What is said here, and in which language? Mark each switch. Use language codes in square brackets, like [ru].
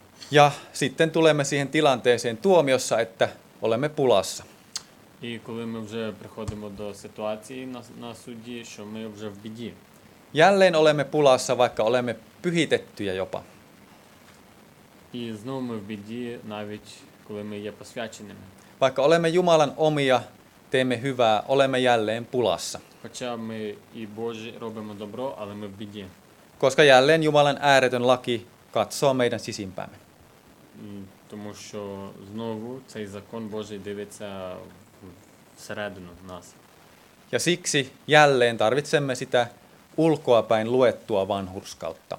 [fi] Ja sitten tulemme siihen tilanteeseen tuomiossa, että olemme pulassa. [uk] І коли ми вже приходимо до ситуації на суді, що ми вже в біді. [fi] Jälleen olemme pulassa, vaikka olemme pyhitettyjä jopa. [uk] І знову ми в біді, навіть коли ми є посвяченими. [fi] Vaikka olemme Jumalan omia, teemme hyvää, olemme jälleen pulassa. [uk] Хоча ми і Божі робимо добро, але ми в біді. [fi] Koska jälleen Jumalan ääretön laki katsoo meidän sisimpäämme. [uk] Тому що знову цей закон Божий дивиться всередину нас. [fi] Ja siksi jälleen tarvitsemme sitä ulkoapäin luettua vanhurskautta.